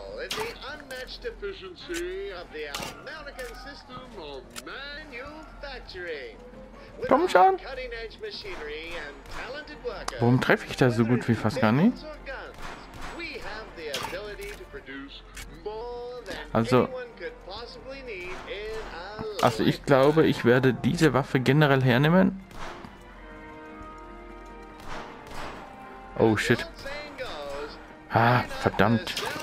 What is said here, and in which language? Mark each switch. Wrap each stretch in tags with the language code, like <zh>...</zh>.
<en>The unmatched efficiency of the American system of manufacturing.</en> <de>With Komm schon.</de> <en>Cutting edge machinery and talented workers.</en> <de>Warum treffe ich da so gut wie fast gar nicht?</de> <en>We have the ability to produce more than</en> <de>also,</de> <en>anyone could possibly need in a</en> <de>also ich glaube, ich werde diese Waffe generell hernehmen.</de> <en>Oh shit.</en> <de>Ah, verdammt.</de>